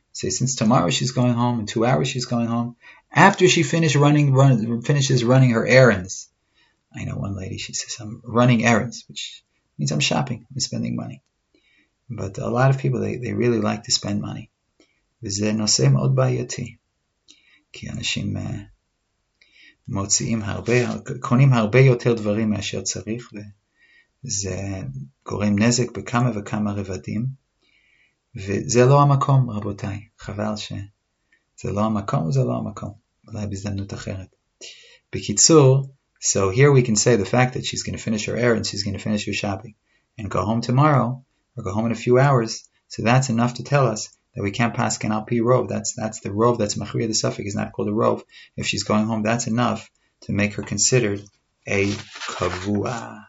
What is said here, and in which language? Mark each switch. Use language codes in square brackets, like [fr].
[en] Say, since tomorrow she's going home, in 2 hours she's going home, after she finishes running her errands. I know one lady, she says, I'm running errands, which means I'm shopping, I'm spending money. But a lot of people, they really like to spend money. [he] V'zeh nosem od bayati. Ki anashim... מוציאים הרבה, קונים הרבה יותר דברים מאשר צריך, וזה גורם נזק בכמה וכמה רבדים, וזה לא המקום, רבותיי, חבל שזה לא המקום, זה לא המקום, אולי בזדמנות אחרת. בקיצור, [en] so here we can say the fact that she's going to finish her errands, she's going to finish her shopping, and go home tomorrow, or go home in a few hours, so that's enough to tell us, that we can't pass an alpi rov. That's the rov. That's machriya the suffik. Is not called a rov. If she's going home, that's enough to make her considered a kavua.